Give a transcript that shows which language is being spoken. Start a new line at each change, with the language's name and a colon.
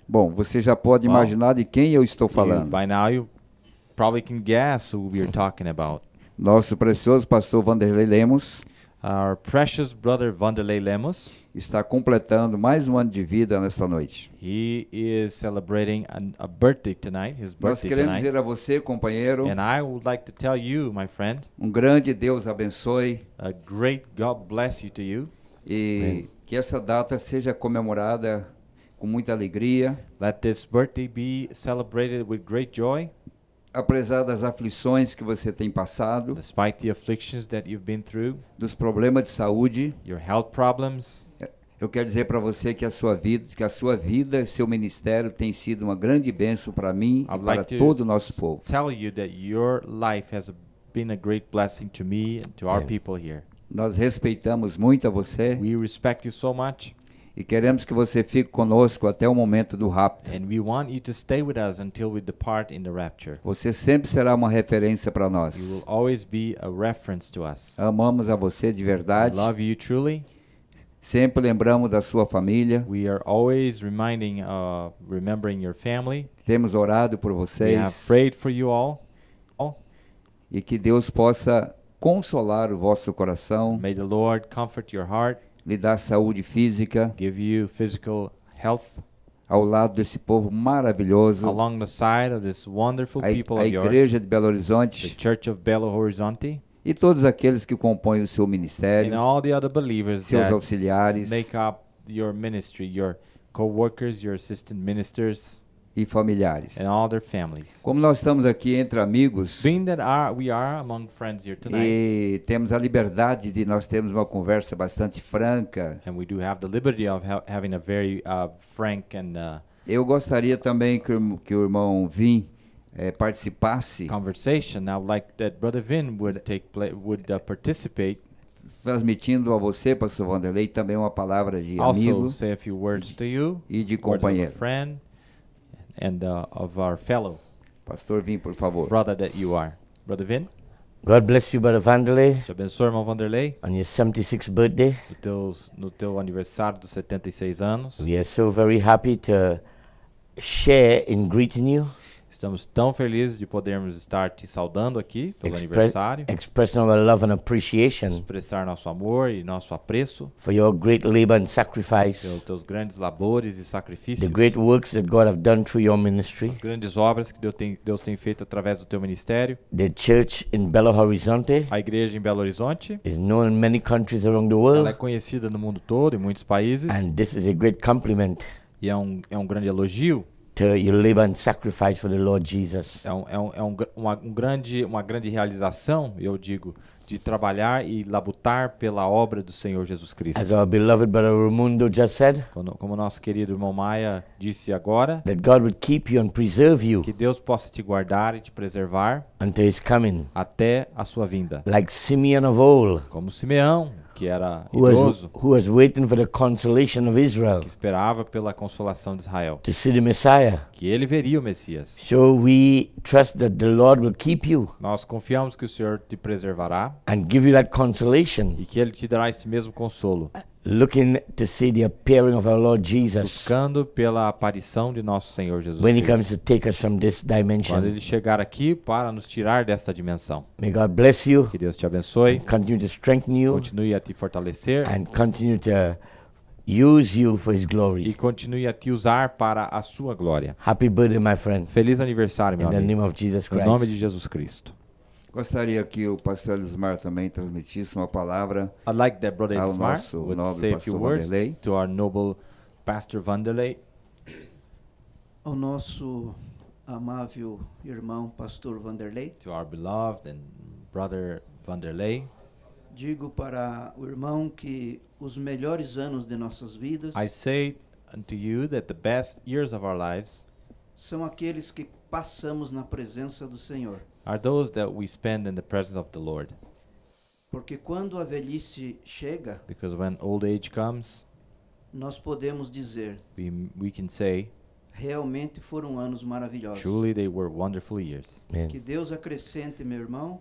Portuguese: Bom, você já pode imaginar de quem eu estou falando.
English: By now you probably can guess who we are talking about.
Portuguese: Nosso precioso pastor Vanderlei Lemos.
English: Our precious brother Vanderlei Lemos
Portuguese: está completando mais um ano de vida nesta noite.
English: He is celebrating a birthday tonight. His birthday tonight.
Portuguese: Nós queremos dizer a você, companheiro.
English: And I would like to tell you, my friend.
Portuguese: Um grande Deus abençoe.
English: A great God bless you to you.
Portuguese: E amen. Que essa data seja comemorada com muita alegria.
English: Let this birthday be celebrated with great joy.
Portuguese: Apesar das aflições que você tem passado,
English: despite the afflictions that you've been through,
Portuguese: dos problemas de saúde,
English: your health problems,
Portuguese: eu quero dizer para você que a sua vida e seu ministério tem sido uma grande bênção para mim
English: I'd
Portuguese: e
English: like to
Portuguese: todo o nosso povo.
English: Tell you that your life has been a great blessing to me and to our people here.
Portuguese: Nós respeitamos muito a você.
English: We respect you so much.
Portuguese: E queremos que você fique conosco até o momento do rapto.
English: And we want you to stay with us until we depart in the rapture.
Portuguese: Você sempre será uma referência para nós.
English: You will always be a reference to us.
Portuguese: Amamos a você de verdade.
English: We love you truly.
Portuguese: Sempre lembramos da sua família.
English: We are always remembering your family.
Portuguese: Temos orado por vocês.
English: We have prayed for you all.
Portuguese: E que Deus possa consolar o vosso coração.
English: May the Lord comfort your heart.
Portuguese: Lhe dar saúde física.
English: Give you physical health.
Portuguese: Ao lado desse povo maravilhoso.
English: Along the side of this wonderful people of yours.
Portuguese: A igreja de Belo Horizonte.
English: The Church of Belo Horizonte.
Portuguese: E todos aqueles que compõem o seu ministério.
English: And all the other believers.
Portuguese: Seus auxiliares.
English: Make up your ministry, your co-workers, your assistant ministers.
Portuguese: E familiares.
English: And all their families.
Portuguese: Como nós estamos aqui entre amigos.
English: Being that we are among friends here tonight.
Portuguese: E temos a liberdade de nós termos uma conversa bastante franca.
English: And we do have the liberty of having a very frank and.
Portuguese: Eu gostaria também que o irmão Vim participasse.
English: Conversation. I would like that Brother Vin would participate.
Portuguese: Transmitindo a você, Pastor Vanderlei, também uma palavra de
English: also
Portuguese: amigo.
English: Also say a few words to you.
Portuguese: E de companheiro.
English: Words of a friend. And of our fellow
Portuguese: Pastor Vim, por favor.
English: Brother that you are. Brother Vin. God bless you, Brother Vanderlei.
Portuguese: Te abençoe, irmão Vanderlei.
English: On your 76th birthday.
Portuguese: No teu aniversário dos 76 anos.
English: We are so very happy to share in greeting you.
Portuguese: Estamos tão felizes de podermos estar te saudando aqui pelo aniversário.
English: Expressing our love and appreciation.
Portuguese: Expressar nosso amor e nosso apreço.
English: For your great labor and sacrifice.
Portuguese: Pelos teus grandes labores e sacrifícios.
English: The great works that God have done through your ministry.
Portuguese: As grandes obras que Deus tem feito através do teu ministério.
English: The church in Belo Horizonte.
Portuguese: A igreja em Belo Horizonte.
English: Is known in many countries around the world.
Portuguese: Ela é conhecida no mundo todo em muitos países.
English: And this is a great compliment.
Portuguese: E é um grande elogio.
English: To your labor and sacrifice for the Lord Jesus.
Portuguese: É uma grande realização, eu digo, de trabalhar e labutar pela obra do Senhor Jesus Cristo.
English: As our beloved brother Raimundo just said.
Portuguese: Como nosso querido irmão Maia disse agora.
English: That God would keep you and preserve you.
Portuguese: Que Deus possa te guardar e te preservar.
English: Until his coming.
Portuguese: Até a sua vinda.
English: Like Simeon of old.
Portuguese: Como Simeão. Que era idoso,
English: who was waiting for the consolation of Israel,
Portuguese: que esperava pela consolação de Israel,
English: to see the Messiah,
Portuguese: que ele veria o Messias.
English: So we trust that the Lord will keep you,
Portuguese: nós confiamos que o Senhor te preservará,
English: and give you that consolation,
Portuguese: e que ele te dará esse mesmo consolo,
English: looking to see the appearing of our Lord Jesus,
Portuguese: buscando pela aparição de nosso Senhor Jesus
English: when
Portuguese: Cristo,
English: he comes to take us from this dimension,
Portuguese: quando ele chegar aqui para nos tirar desta dimensão.
English: May God bless you,
Portuguese: que Deus te abençoe,
English: continue to strengthen you,
Portuguese: continue a te fortalecer,
English: and continue to use you for his glory,
Portuguese: e continue a te usar para a sua glória.
English: Happy birthday, my friend.
Portuguese: Feliz aniversário, meu
English: in
Portuguese: amigo,
English: the name of Jesus Christ.
Portuguese: Em nome de Jesus Cristo. Gostaria que o pastor Elismar também transmitisse uma palavra.
English: I'd like that brother Elismar would say a few words to our noble pastor Vanderlei.
Portuguese: Ao nosso amável irmão pastor Vanderlei.
English: To our beloved and brother Vanderlei.
Portuguese: Digo para o irmão que os melhores anos de nossas vidas,
English: I say unto you that the best years of our lives,
Portuguese: são aqueles que passamos na presença do Senhor.
English: Are those that we spend in the presence of the Lord.
Portuguese: Porque quando a velhice chega,
English: because when old age comes,
Portuguese: nós podemos dizer,
English: we can say,
Portuguese: realmente foram anos maravilhosos.
English: Truly they were wonderful years.
Portuguese: Amen. Que Deus acrescente, meu irmão,